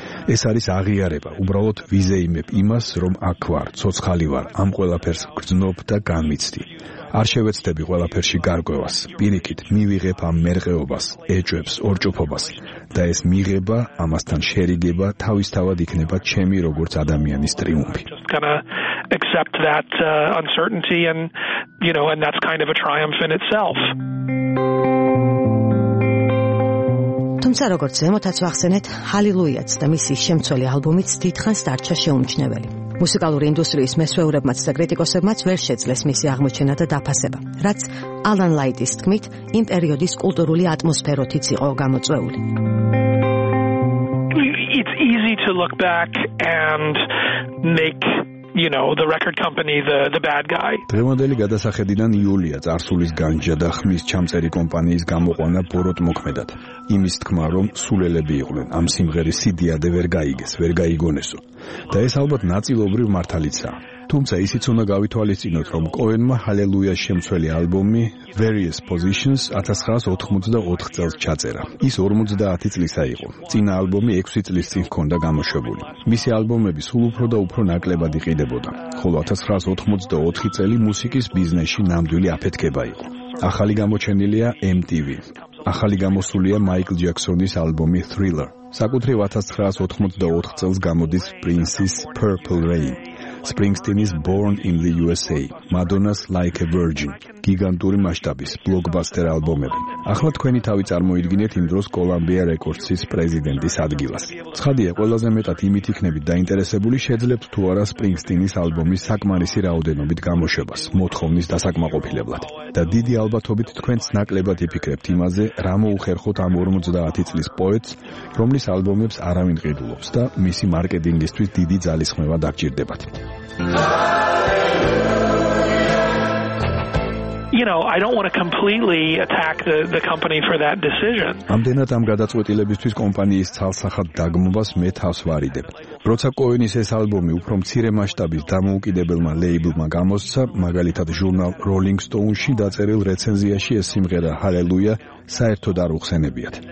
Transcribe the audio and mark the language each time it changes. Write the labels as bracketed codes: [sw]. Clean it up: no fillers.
[ka] ეს არის აღიარება, უბრალოდ ვიზეიმებ იმას, რომ აქ ვარ, ცოცხალი ვარ, ამ ყველაფერს გრძნობ და განმიცდი. არ შევეცდები ყველაფერში გარკვევას, პირიქით მივიღებ ამ მერყეობას, ეჭვებს, ორჭოფობას და ეს მიღება, ამასთან შერიგება, თავისთავად იქნება ჩემი როგორც ადამიანის ტრიუმფი. [en] Accept that uncertainty and you know and that's kind of a triumph in itself. [ka] თუმცა როგორც ზემოთაც ვახსენეთ, ჰალილუიაც და მისი შემცველი ალბომიც დიდხანს დარჩა შეუმჩნეველი. მუსიკალური ინდუსტრიის მესვეურებმაც და კრიტიკოსებმაც ვერ შეძლეს მისი აღმოჩენა და დაფასება, რაც ალან ლაიტის თქმით, იმ პერიოდის კულტურული ატმოსფეროთიც იყო გამოწვეული. [en] It's easy to look back and make you know the record company the bad guy [ka] დემონდელი გადასახედიდან იულია წარსულის განჯა და ხმის ჩამწერი კომპანიის გამოყვანა ბოროტ მოქმედად იმის თქმა რომ სულელები იყვნენ ამ სიმღერის სიდიადე ვერ გაიგეს ვერ გაიგონესო და ეს ალბათ ნაწილობრივ მართალიცაა თუმცა ისიც უნდა გავითვალისწინოთ რომ კოენმა ჰალელუიას შემცველი ალბომი Various Positions 1984 წელს ჩაწერა. ის 50 წლისა იყო. წინა ალბომი 6 წლის წინ ჰქონდა გამოშვებული. მისი ალბომები სულ უფრო და უფრო ნაკლებად იყიდებოდა. ხოლო 1984 წელი მუსიკის ბიზნესში ნამდვილი აფეთქება იყო. ახალი გამოჩენილია MTV. ახალი გამოსულია Michael Jackson-ის ალბომი Thriller. საკუთრივ 1984 წელს გამოდის Prince-ის Purple Rain. Springsteen's Born in the USA, Madonna's Like a Virgin, გიგანტური მასშტაბის ბლოკბასტერ ალბომები. ახლა თქვენი თავი წარმოიდგინეთ იმ დროს Columbia Records-ის პრეზიდენტის ადგილას. ცხადია, ყველაზე მეტად იმით იქნებით დაინტერესებული, შეძლებთ თუ არა Springsteen-ის ალბომის საკმარისი რაოდენობით გამოშვებას, მოთხოვნის დასაკმაყოფილებლად. და დიდი ალბათობით თქვენც ნაკლებად იფიქრებთ იმაზე, რა მოუხერხოთ ამ 50 წლის პოეტს, რომლის ალბომებს არავინ ყიდულობს და მისი მარკეტინგისთვის დიდი ძალისხმევა დაგჭირდებათ. [en] you know, I don't want to completely attack the company for that decision. [ka] ამდენად ამ გადაწყვეტილებისთვის კომპანიის ცალსახად დაგმობას მე თავს ვარიდებ. როცა კოენის ეს ალბომი უფრო მცირე მასშტაბის დამოუკიდებელმა ლეიბლმა გამოსცა, მაგალითად ჟურნალ Rolling Stone-ში დაწერილ რეცენზიაში ეს სიმღერა Hallelujah საერთოდ არ უხსენებიათ.